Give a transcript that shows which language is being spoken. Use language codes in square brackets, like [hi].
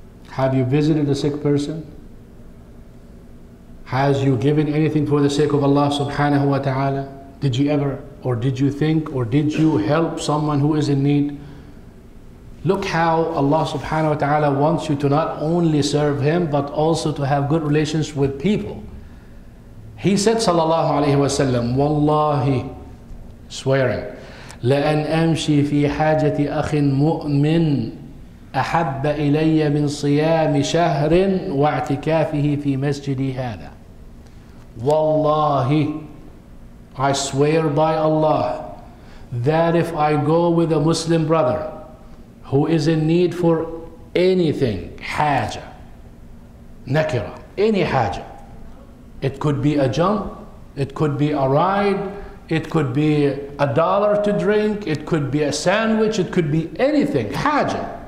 [en] Have you visited a sick person? Has you given anything for the sake of Allah subhanahu wa ta'ala? Did you ever, or did you think, or did you help someone who is in need? Look how Allah subhanahu wa ta'ala wants you to not only serve Him, but also to have good relations with people. He said sallallahu alayhi wa sallam, wallahi, swearing, [ar] لَأَنْ أَمْشِي فِي حَاجَةِ أَخٍ مُؤْمِنٍ أَحَبَّ إِلَيَّ مِنْ صِيَامِ شَهْرٍ وَاعْتِكَافِهِ فِي مَسْجِدِي هَذَا. [en] Wallahi, I swear by Allah, that if I go with a Muslim brother who is in need for anything, haja, nakira, any haja, it could be a jump, it could be a ride, it could be a dollar to drink, it could be a sandwich, it could be anything, haja.